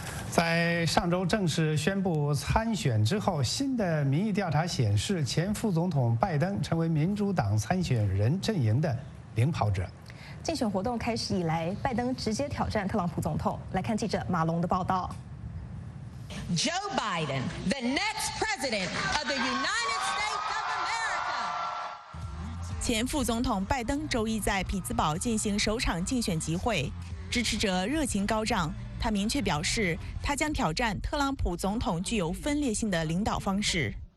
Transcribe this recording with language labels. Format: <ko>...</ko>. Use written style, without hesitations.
<zh>在上周正式宣布参选之后，新的民意调查显示，前副总统拜登成为民主党参选人阵营的领跑者。竞选活动开始以来，拜登直接挑战特朗普总统。来看记者马龙的报道。</zh> <en>Joe Biden, the next president of the United States of America.</en> <zh>前副总统拜登周一在匹兹堡进行首场竞选集会，支持者热情高涨。他明确表示，他将挑战特朗普总统具有分裂性的领导方式。</zh>